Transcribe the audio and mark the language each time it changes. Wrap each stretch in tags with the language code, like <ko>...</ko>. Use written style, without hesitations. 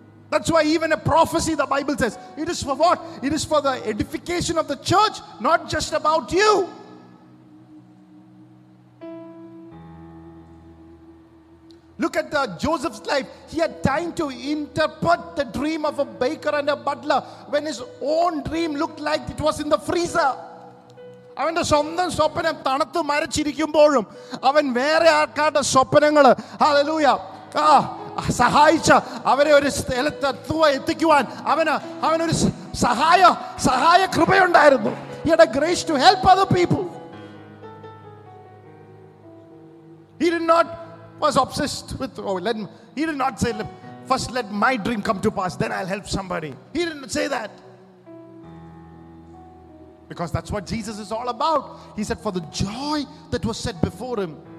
<en>That's why even a prophecy, the Bible says, it is for what? It is for the edification of the church, not just about you. Look at Joseph's life. He had time to interpret the dream of a baker and a butler when his own dream looked like it was in the freezer.</en> <ml>അവന്റെ സ്വന്തം സ്വപ്നം തണുത്ത് മരച്ചിരിക്കുമ്പോഴും അവൻ വേറെ ആൾക്കാരുടെ സ്വപ്നങ്ങൾ hallelujah സഹായിച്ച അവരെ ഒരു സ്ഥലത്ത് എത്തിക്കുവാൻ അവനൊരു സഹായ കൃപയുണ്ടായിരുന്നു.</ml> <en>He had a grace to help other people. He did not was obsessed with he did not say, first let my dream come to pass, then I'll help somebody. He didn't say that. Because that's what Jesus is all about. He said, for the joy that was set before him.</en>